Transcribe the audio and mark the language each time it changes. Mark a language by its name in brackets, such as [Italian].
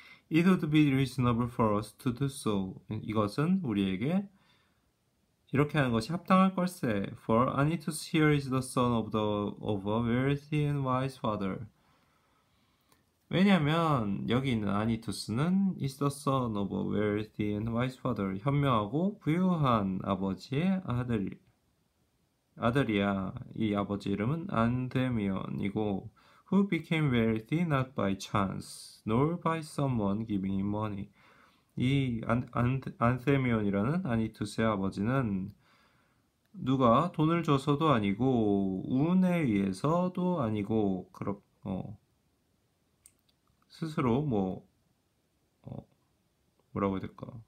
[English] It would be reasonable for us to do so. [Korean] 이것은 우리에게 이렇게 하는 것이 합당할 걸세. [English] For Anitus here is the son of a wealthy and wise father. [Korean] 왜냐하면 여기 있는 아니투스는 [English] is the son of a wealthy and wise father, [Korean] 현명하고 부유한 아버지의 아들이야. 이 아버지 이름은 안데미온이고, [English] who became wealthy not by chance nor by someone giving him money. [Korean] 이 안데미온이라는 아니투스의 아버지는 누가 돈을 줘서도 아니고 운에 의해서도 아니고 스스로 뭐라고 해야 될까?